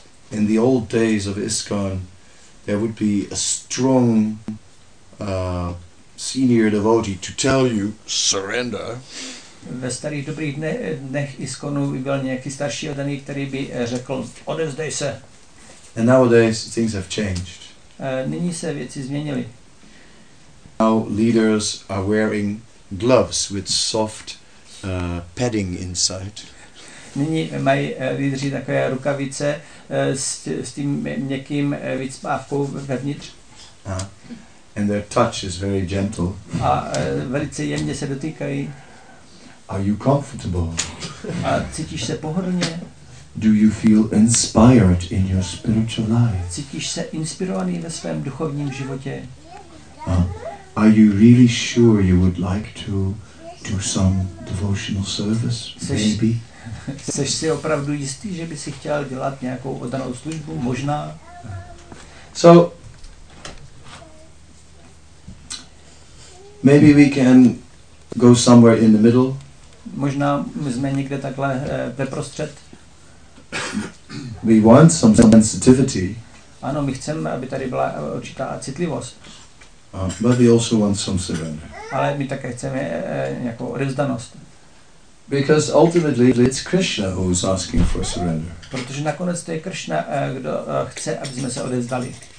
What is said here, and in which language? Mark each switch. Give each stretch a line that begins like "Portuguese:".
English: In the old days of ISKCON, there would be a strong senior devotee to tell you surrender.
Czech: Ve starých dobrých dnech ISKCONu byl nějaký starší oddaný, který by řekl odevzdej se.
English: And nowadays things have changed.
Czech: Nyní se věci změnily.
English: Now leaders are wearing gloves with soft padding inside.
Czech: Nyní mají lídři takové rukavice s tím měkkým výcpávkou vevnitř.
English: And their touch is very gentle.
Czech: A velice jemně se dotýkají.
English: Are you comfortable?
Czech: A cítíš se pohodlně?
English: Do you feel inspired in your spiritual life?
Czech: Cítíš se inspirovaný ve svém duchovním životě?
English: Are you really sure you would like to do some devotional service? Maybe.
Czech: Jseš si opravdu jistý, že bys si chtěl dělat nějakou oddanou službu? Možná.
English: So maybe we can go somewhere in the middle.
Czech: Možná jsme někde takhle ve prostřed.
English: We want some sensitivity.
Czech: Ano, my chceme, aby tady byla určitá citlivost.
English: But we also want some surrender.
Czech: Ale my také chceme nějakou odevzdanost.
English: Because ultimately it's Krishna who is asking for surrender.
Czech: Protože nakonec to je Krishna, kdo chce, aby jsme se odevzdali.